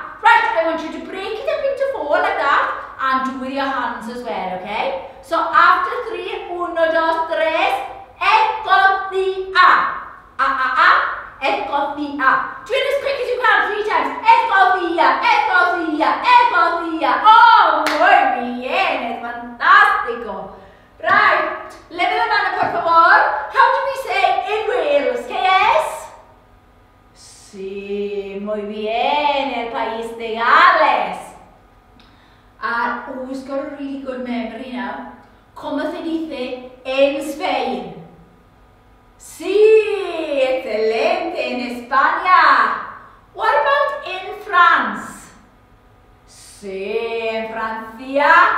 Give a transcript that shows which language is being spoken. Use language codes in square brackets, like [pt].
[en] Right, I want you to break it up into four like that and do with your hands as well, okay? So after three, [es] uno, dos, tres, Escocia. Escocia. [en] Do it as quick as you can, three times. [es] Escocia, Escocia, Escocia. Oh, muy bien, es fantástico. [en] Right, [es] leve la mano, por favor. [en] How do we say in Wales? [es] ¿Qué es? Sí, muy bien, el país de Gales. [en] Who's got a really good memory now? [es] ¿Cómo se dice en Spain? Sí, excelente, en España. [en] What about in France? [es] Sí, en Francia.